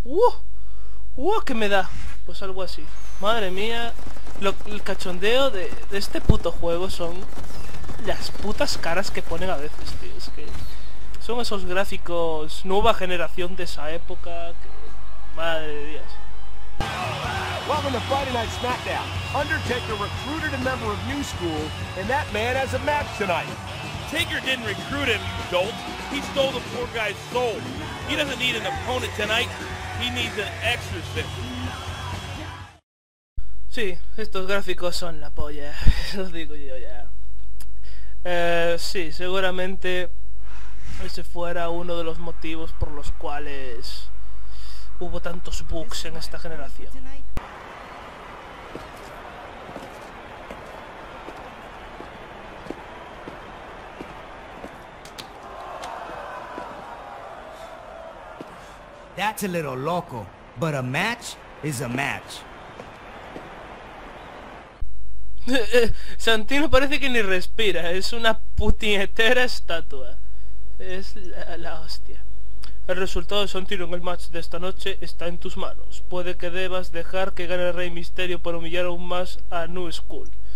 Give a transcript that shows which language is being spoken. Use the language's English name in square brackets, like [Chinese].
[Spanish] ¡Uh! ¿Qué me da? Pues algo así. Madre mía, el cachondeo de este puto juego son las putas caras que ponen a veces, tío. Es que son esos gráficos nueva generación de esa época que, madre de Dios. [English] Welcome to Friday Night SmackDown. Undertaker recruited a member of New School, and that man has a match tonight. Taker didn't recruit him, dolt. He stole the poor guy's soul. He doesn't need an opponent tonight. He needs an exorcist. [Spanish] Sí, estos gráficos son la polla, lo digo yo ya. Sí, seguramente ese fuera uno de los motivos por los cuales hubo tantos bugs en esta generación. [English] That's a little loco, but a match is a match. [Spanish] Santino parece que ni respira, es una puñetera estatua. Es la hostia. El resultado de Santino en el match de esta noche está en tus manos. Puede que debas dejar que gane el Rey Misterio para humillar aún más a New School.